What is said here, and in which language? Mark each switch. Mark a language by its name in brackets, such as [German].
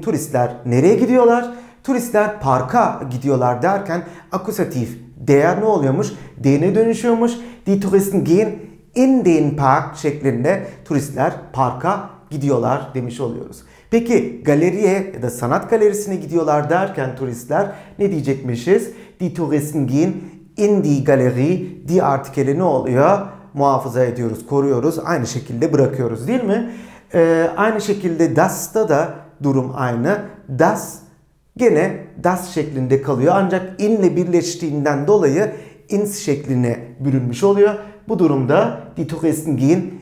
[Turkish] Turistler nereye gidiyorlar? Turistler parka gidiyorlar derken akusatif der ne oluyormuş? D'ne dönüşüyormuş. [German] Die Touristen gehen in den Park [Turkish] şeklinde turistler parka gidiyorlar demiş oluyoruz. Peki galeriye ya da sanat galerisine gidiyorlar derken turistler ne diyecekmişiz? [German] Die Touristen gehen in die Galerie. [Turkish] Die artikeli ne oluyor? Muhafaza ediyoruz, koruyoruz, aynı şekilde bırakıyoruz, değil mi? Aynı şekilde das'ta da durum aynı. Das gene das şeklinde kalıyor. Ancak in ile birleştiğinden dolayı ins şekline bürünmüş oluyor. Bu durumda [German] die Touristen gehen